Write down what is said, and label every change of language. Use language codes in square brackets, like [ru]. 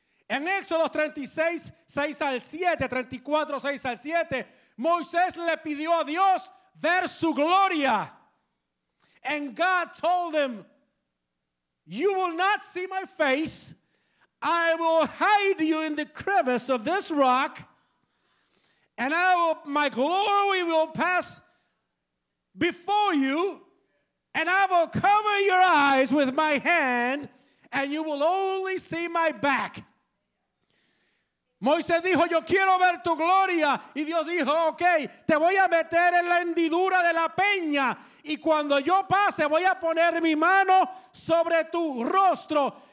[es] En Éxodos 36, 6 al 7, 34, 6 al 7, Moisés le pidió a Dios ver su gloria. [en] And God told him, "You will not see my face. I will hide you in the crevice of this rock, and my glory will pass before you, and I will cover your eyes with my hand, and you will only see my back." [es] Moisés dijo, yo quiero ver tu gloria. Y Dios dijo, ok, te voy a meter en la hendidura de la peña. Y cuando yo pase, voy a poner mi mano sobre tu rostro.